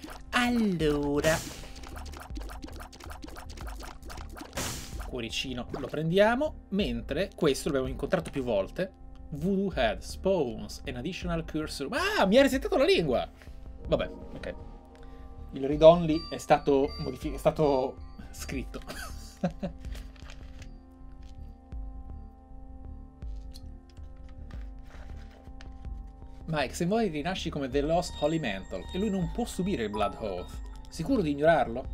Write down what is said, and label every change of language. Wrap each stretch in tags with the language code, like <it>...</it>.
<it>Allora. Cuoricino lo prendiamo, mentre questo l'abbiamo incontrato più volte.</it> <en>Voodoo Head, Spawns, an additional curse room.</en> <it>Ah, mi ha resettato la lingua! Vabbè, ok. Il read only è stato modificato, è stato scritto. Mike, se vuoi rinasci come The Lost Holy Mantle e lui non può subire il Blood Oath. Sicuro di ignorarlo?</it>